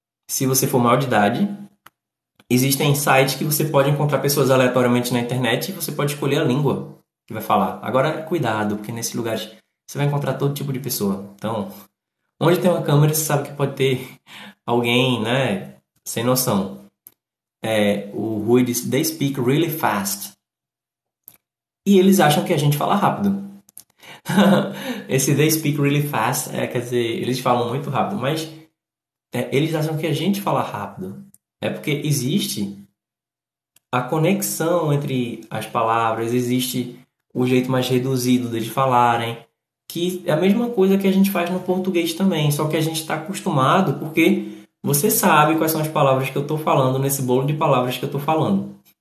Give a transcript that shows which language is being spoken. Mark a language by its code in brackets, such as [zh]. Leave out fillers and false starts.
[pt] Se você for maior de idade, existem sites que você pode encontrar pessoas aleatoriamente na internet e você pode escolher a língua que vai falar. Agora, cuidado, porque nesses lugares você vai encontrar todo tipo de pessoa. Então, onde tem uma câmera, você sabe que pode ter alguém, né, sem noção. [en] O Rui disse, they speak really fast. [pt] E eles acham que a gente fala rápido. Esse they speak really fast, quer dizer, eles falam muito rápido, mas eles acham que a gente fala rápido. É porque existe a conexão entre as palavras, existe o jeito mais reduzido de falarem, que é a mesma coisa que a gente faz no português também, só que a gente está acostumado porque você sabe quais são as palavras que eu estou falando nesse bolo de palavras que eu estou falando.